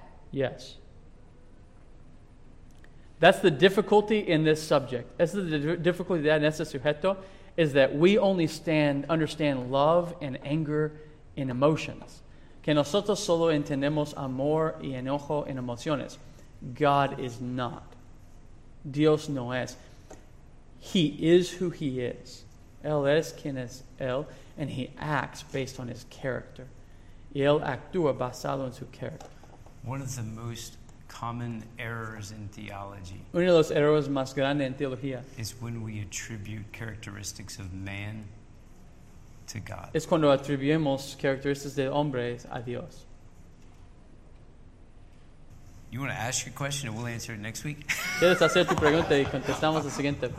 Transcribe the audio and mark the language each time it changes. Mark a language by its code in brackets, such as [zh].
[en] Yes. That's the difficulty in this subject. That's the difficulty that Nessa Sujeto is that we only understand love and anger in emotions. [es] Que nosotros solo entendemos amor y enojo en emociones. [en] God is not. [es] Dios no es. [en] He is who he is. [es] Él es quien es él, [en] and he acts based on his character. [es] Y él actúa basado en su character. [en] One of the most common errors in theology. [es] Uno de los errores más grandes en teología [en] is when we attribute characteristics of man to God. [es] Es cuando atribuimos características de hombres a Dios. [en] You want to ask your question and we'll answer it next week? [es] ¿Quieres hacer tu pregunta y contestamos la siguiente?